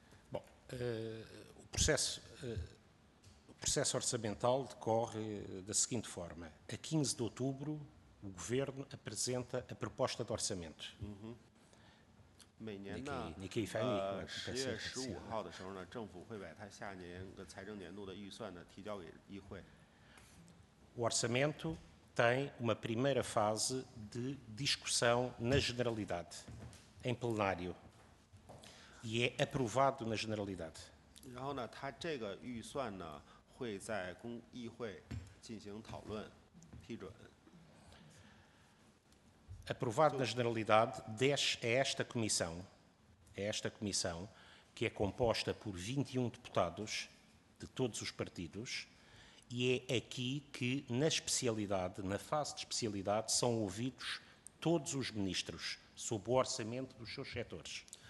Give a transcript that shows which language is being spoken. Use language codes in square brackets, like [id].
[pt] Bom, o processo orçamental decorre da seguinte forma. A 15 de outubro, o Governo apresenta a proposta de orçamento. [zh] Uhum. 每年呢， 10月15号的时候呢，政府会把它下年的财政年度的预算呢提交给议会。 [pt] O orçamento tem uma primeira fase de discussão na generalidade, em plenário, e é aprovado na generalidade. [zh] 然后呢，它这个预算呢会在公议会进行讨论、批准。 [pt] Aprovado na generalidade, desce a esta comissão, que é composta por 21 deputados de todos os partidos, e é aqui que, na especialidade, na fase de especialidade, são ouvidos todos os ministros, sob o orçamento dos seus setores.